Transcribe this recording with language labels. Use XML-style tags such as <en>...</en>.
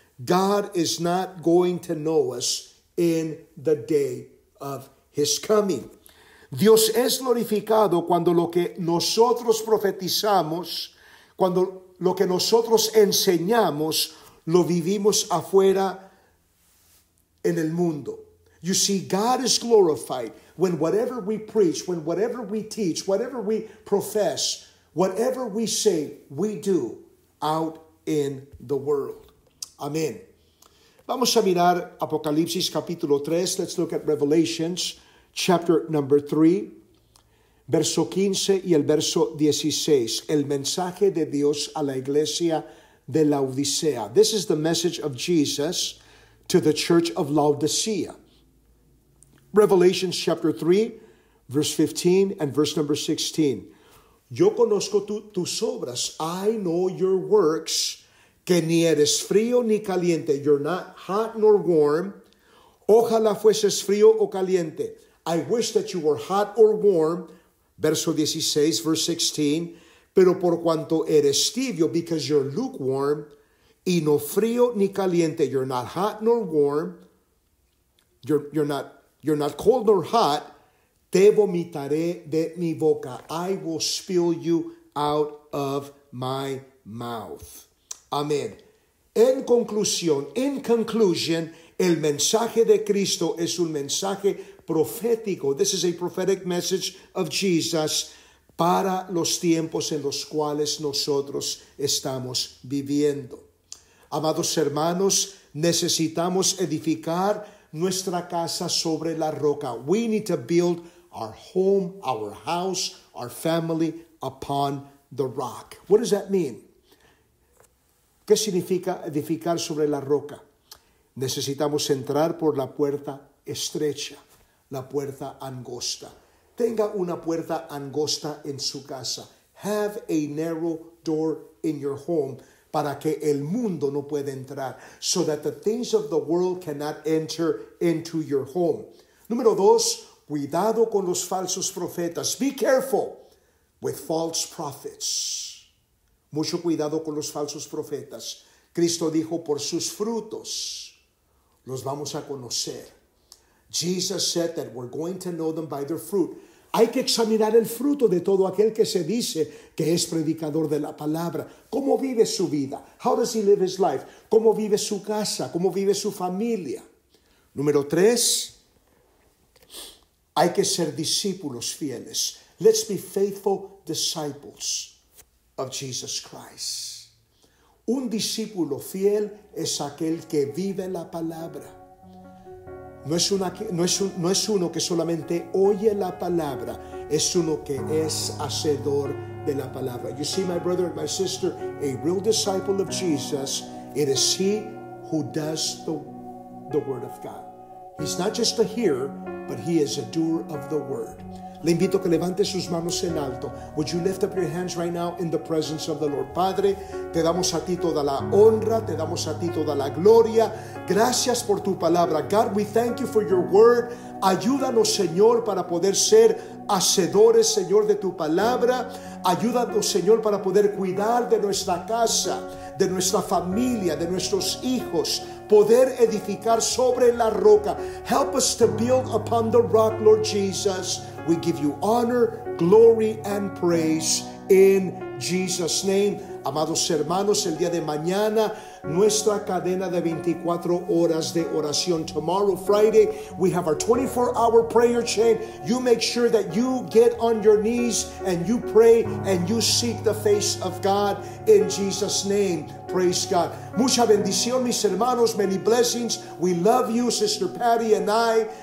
<en>God is not going to know us in the day of his coming.</en> <es>Dios es glorificado cuando lo que nosotros profetizamos, cuando lo que nosotros enseñamos, lo vivimos afuera en el mundo.</es> <en>You see, God is glorified when whatever we preach, when whatever we teach, whatever we profess, whatever we say, we do out in the world.</en> <es>Amén. Vamos a mirar Apocalipsis capítulo 3.</es> <en>Let's look at Revelations chapter number 3,</en> <es>verso 15 y el verso 16. El mensaje de Dios a la iglesia de Laodicea.</es> <en>This is the message of Jesus to the church of Laodicea. Revelations chapter 3, verse 15 and verse number 16.</en> <es>Yo conozco tus obras.</es> <en>I know your works,</en> <es>que ni eres frío ni caliente.</es> <en>You're not hot nor warm.</en> <es>Ojalá fueses frío o caliente.</es> <en>I wish that you were hot or warm.</en> <es>Verso 16,</es> <en>verse 16.</en> <es>Pero por cuanto eres tibio,</es> <en>because you're lukewarm,</en> <es>y no frío ni caliente.</es> <en>You're not hot nor warm. You're not cold nor hot.</en> <es>Te vomitaré de mi boca.</es> <en>I will spill you out of my mouth.</en> <es>Amén.</es> <en>In conclusion,</en> <es>el mensaje de Cristo es un mensaje profético.</es> <en>This is a prophetic message of Jesus</en> <es>para los tiempos en los cuales nosotros estamos viviendo. Amados hermanos, necesitamos edificar nuestra casa sobre la roca.</es> <en>We need to build our home, our house, our family upon the rock. What does that mean?</en> <es>¿Qué significa edificar sobre la roca? Necesitamos entrar por la puerta estrecha, la puerta angosta. Tenga una puerta angosta en su casa.</es> <en>Have a narrow door in your home</en> <es>para que el mundo no pueda entrar.</es> <en>So that the things of the world cannot enter into your home.</en> <es>Número dos, cuidado con los falsos profetas.</es> <en>Be careful with false prophets.</en> <es>Mucho cuidado con los falsos profetas. Cristo dijo, por sus frutos los vamos a conocer.</es> <en>Jesus said that we're going to know them by their fruit.</en> <es>Hay que examinar el fruto de todo aquel que se dice que es predicador de la palabra. ¿Cómo vive su vida?</es> <en>How does he live his life?</en> <es>¿Cómo vive su casa? ¿Cómo vive su familia? Número tres, hay que ser discípulos fieles.</es> <en>Let's be faithful disciples of Jesus Christ.</en> <es>Un discípulo fiel es aquel que vive la palabra. No es uno que solamente oye la palabra, es uno que es hacedor de la palabra.</es> <en>You see, my brother and my sister, a real disciple of Jesus, it is he who does the word of God. He's not just a hearer, but he is a doer of the word.</en> <es>Le invito a que levante sus manos en alto.</es> <en>Would you lift up your hands right now in the presence of the Lord?</en> <es>Padre, te damos a ti toda la honra, te damos a ti toda la gloria. Gracias por tu palabra.</es> <en>God, we thank you for your word.</en> <es>Ayúdanos, Señor, para poder ser hacedores, Señor, de tu palabra. Ayúdanos, Señor, para poder cuidar de nuestra casa, de nuestra familia, de nuestros hijos. Poder edificar sobre la roca.</es> <en>Help us to build upon the rock, Lord Jesus. We give you honor, glory, and praise in Jesus' name.</en> <es>Amados hermanos, el día de mañana, nuestra cadena de 24 horas de oración.</es> <en>Tomorrow, Friday, we have our 24-hour prayer chain. You make sure that you get on your knees and you pray and you seek the face of God in Jesus' name. Praise God.</en> <es>Mucha bendición, mis hermanos.</es> <en>Many blessings. We love you, Sister Patty and I.</en>